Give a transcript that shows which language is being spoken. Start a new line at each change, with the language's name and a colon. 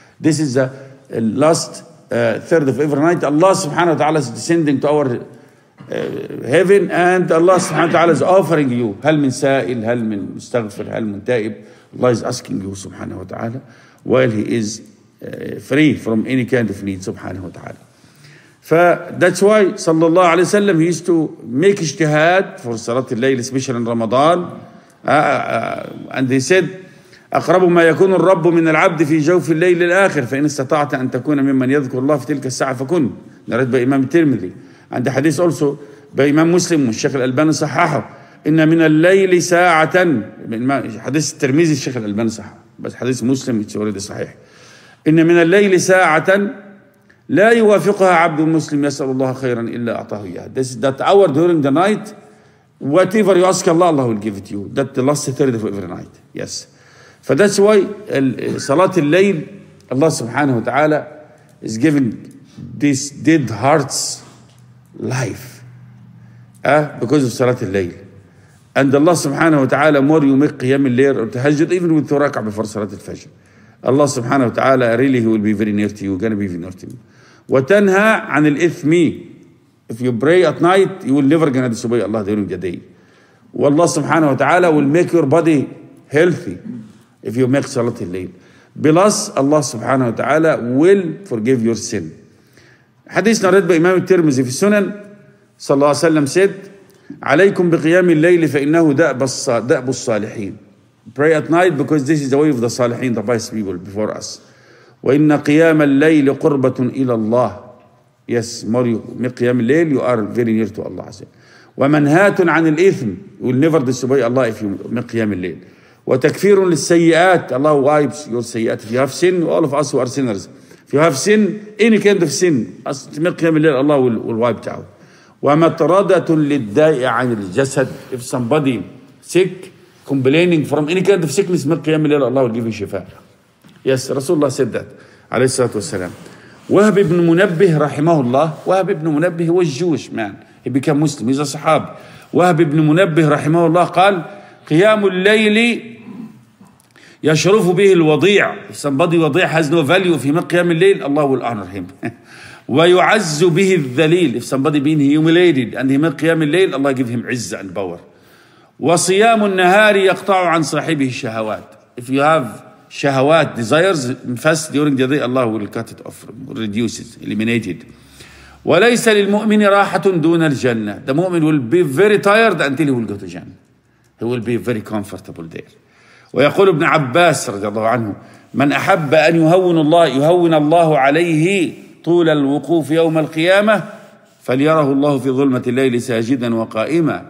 English: This is the last third of every night. Allah subhanahu wa ta'ala is descending to our heaven, and Allah subhanahu wa ta'ala is offering you.
Arabic: هل من سائل هل من مستغفر هل من تائب.
English: Allah is asking you subhanahu wa ta'ala while he is free from any kind of need subhanahu wa ta'ala. That's why sallallahu alayhi wa sallam, he used to make ijtihad for salat al-layl, especially in Ramadan. And he said,
Arabic: أقرب ما يكون الرب من العبد في جوف الليل الآخر فإن استطعت أن تكون ممن يذكر الله في تلك الساعة فكن. نرد بإمام الترمذي عند حديث also بإمام مسلم والشيخ الألباني صححه. إن من الليل ساعة حديث الترمذي الشيخ الألباني صححه بس حديث مسلم يتوردي صحيح. إن من الليل ساعة لا يوافقها عبد المسلم يسأل الله خيرا إلا أعطاه إياه.
English: This is that hour during the night, whatever you ask Allah, Allah will give it to you. That the last third of every night. Yes. فthat's why صلاة الليل الله سبحانه وتعالى is giving this dead heart's life because of صلاة الليل. And Allah سبحانه وتعالى more you make قيام الليل or تهجد even with ركع before صلاة الفجر, Allah سبحانه وتعالى really he will be very near to you, gonna be very near to you.
Arabic: وتنهى عن الإثم.
English: If you pray at night you will never gonna disobey Allah during the day. والله سبحانه وتعالى will make your body healthy if you make صلاة الليل. Plus Allah سبحانه وتعالى will forgive your sin.
Arabic: حديثنا رد بإمام الترمذي في السنن صلى الله عليه وسلم said, عليكم بقيام الليل فإنه دأب الصالحين.
English: Pray at night because this is the way of the صالحين, the pious people before us.
Arabic: وإن قيام الليل قربة إلى الله.
English: Yes, more you make قيام الليل you are very near to Allah.
Arabic: ومنهاة عن الإثم,
English: you will never disobey Allah if you make قيام الليل.
Arabic: وتكفير للسيئات,
English: Allah wipes your سيئات. If you have sin, all of us who are sinners, if you have sin, any kind of sin, make قيام الليل, Allah will wipe it out.
Arabic: ومطردة للداء عن الجسد.
English: If somebody sick, complaining from any kind of sickness, make قيام الليل, Allah will give you شفاء. Yes, Rasulullah said that,
Arabic: عليه الصلاة والسلام. وهب بن منبه رحمه الله.
English: وهب بن منبه هو Jewish man. He became Muslim. He's a صحاب.
Arabic: وهب بن منبه رحمه الله قال, قيام الليل يشرف به الوضيع.
English: If somebody وضيع has no value, if he make قيام الليل, Allah will honor him.
Arabic: ويعز به الذليل.
English: If somebody being humiliated and he make قيام الليل, Allah give him عزة and power.
Arabic: وصيام النهار يقطع عن صاحبه الشهوات.
English: If you have شهوات desires fast during the day, Allah will cut it off, reduce it, eliminate it.
Arabic: وليس للمؤمن راحة دون الجنة.
English: The mu'min will be very tired until he will go to Jannah. He will be very comfortable there.
Arabic: ويقول ابن عباس رضي الله عنه, من أحب أن يهون الله يهون الله عليه طول الوقوف يوم القيامة فليره الله في ظلمة الليل ساجدا وقائما.